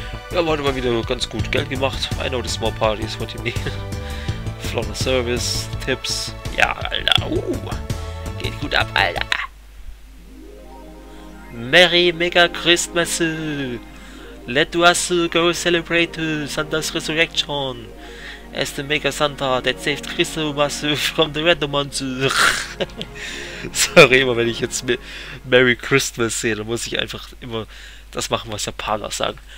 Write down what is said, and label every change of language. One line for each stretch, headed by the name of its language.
German: Wir haben heute mal wieder ganz gut Geld gemacht.
English: I know the small party is what you need. Flawless Service,
German: Tipps. Ja, Alter. Geht gut ab, Alter.
English: Merry Mega Christmas. Let us go celebrate Santa's Resurrection. As the Mega Santa that saved Christmas from the Random Monster.
German: Sorry, immer wenn ich jetzt
English: Merry Christmas
German: sehe, dann muss ich einfach immer das machen, was Japaner sagen.